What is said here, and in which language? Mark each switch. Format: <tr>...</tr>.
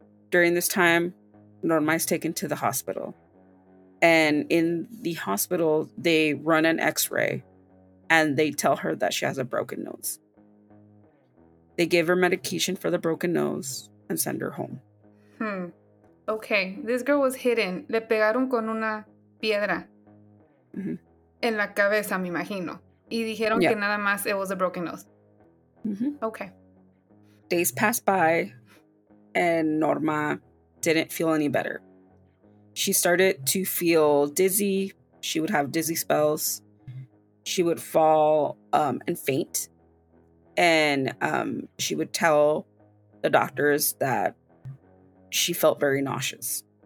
<en>During this time, Norma is taken to the hospital. And in the hospital, they run an x-ray, and they tell her that she has a broken nose. They give her medication for the broken nose and send her home. Okay, this girl was hidden.</en> <es>Le pegaron con una piedra en la cabeza, me imagino. Y dijeron que nada más</es> <en>it was a broken nose. Okay. Days passed by and Norma didn't feel any better. She started to feel dizzy. She would have dizzy spells. She would fall and faint. And she would tell the doctors that she felt very nauseous.</en>